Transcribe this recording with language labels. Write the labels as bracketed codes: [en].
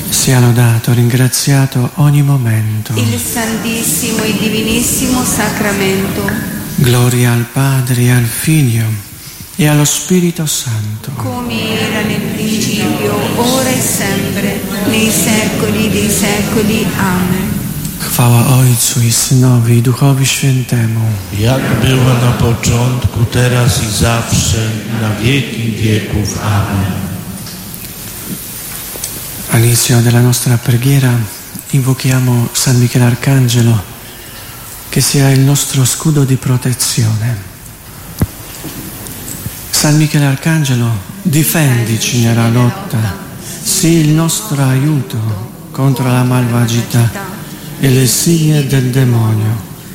[it] Sia lodato, ringraziato ogni momento. Il santissimo e divinissimo sacramento. Gloria al Padre, al Figlio e allo Spirito Santo. Come era nel principio, ora e sempre, nei secoli dei secoli. Amen. [pl] Chwała Ojcu i Synowi i Duchowi Świętemu. Jak było na początku, teraz i zawsze, na wieki wieków. Amen. [it] All'inizio della nostra preghiera invochiamo San Michele Arcangelo che sia il nostro scudo di protezione. San Michele Arcangelo, difendici nella lotta, sii il nostro aiuto contro la malvagità e le insidie del demonio.